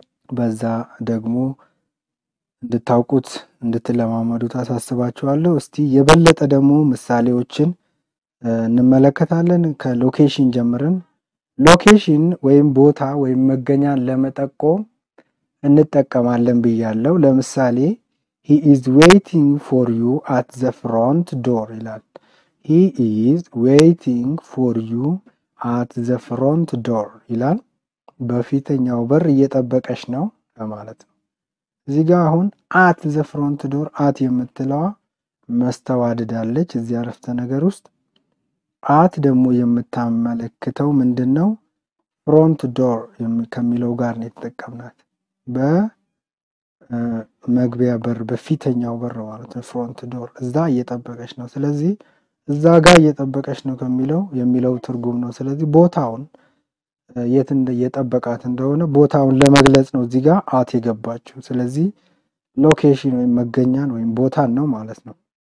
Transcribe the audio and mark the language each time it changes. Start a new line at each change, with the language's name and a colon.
Amharic: በዛ ደግሞ እንድታውቁት እንድትለማመዱት አሳስባችኋለሁ እስቲ የበለጠ ደግሞ ምሳሌዎችን እንመለከታለን ከሎኬሽን ጀምረን ሎኬሽን ወይም ቦታ ወይም መገኛ ለመጠቆም እንጠቀማለን ብያለሁ ለምሳሌ
English: He is waiting for you at the front door. He is waiting for you at the front door.
Amharic: ይላል በፊተኛው በር እየጠበቀሽ ነው ማለት ነው። እዚህ ጋር አሁን at the front door at የምትለው መስተዋድዳለች እዚህ አረፍተ ነገር ውስጥ at ደግሞ የምታመለክተው ምንድነው? front door ከሚለው ጋር ነው የተጠቀምናት በ መግቢያ በር በፊተኛው በር ማለት ነው front door እዛ እየጠበቀሽ ነው ስለዚህ እዛ ጋር እየጠበቀሽ ነው ከሚለው የሚለው ትርጉም ነው ስለዚህ ቦታውን የት እንደየጠበቃት እንደሆነ ቦታውን ለመግለጽ ነው እዚህ ጋር አት የገባችው ስለዚህ location ወይም መገኛን ወይም ቦታን ነው ማለት ነው